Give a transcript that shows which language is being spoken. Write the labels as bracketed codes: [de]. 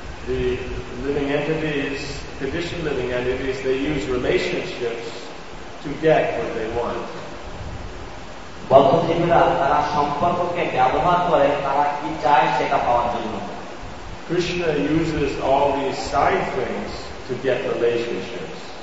[en] The living entities, conditioned living entities, they use relationships to get what they want. [bn] বদ্ধজীবীরা তারা সম্পর্ককে ব্যবহার করে তারা কি চায় সেটা পাওয়ার জন্য. [en] Krishna uses all these side things to get relationships.